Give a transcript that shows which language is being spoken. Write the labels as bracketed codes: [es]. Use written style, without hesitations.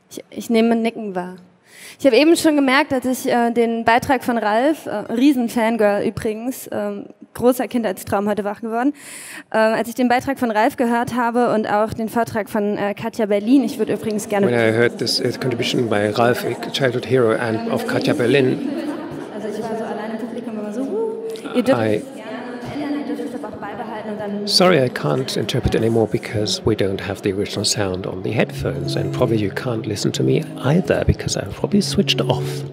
[de] Ich nehme ein Nicken wahr. Ich habe eben schon gemerkt, dass ich den Beitrag von Ralf, Riesen-Fangirl übrigens, großer Kindheitstraum heute wach geworden, als ich den Beitrag von Ralf gehört habe und auch den Vortrag von Katja Berlin, ich würde übrigens gerne... [en] When I heard this contribution by Ralf, a childhood hero, and of Katja Berlin... [de] Also ich war so alleine im Publikum, immer so... Ihr dürft es gerne ändern, ihr dürft es aber auch beibehalten und dann... [en] Sorry, I can't interpret anymore because we don't have the original sound on the headphones and probably you can't listen to me either because I've probably switched off.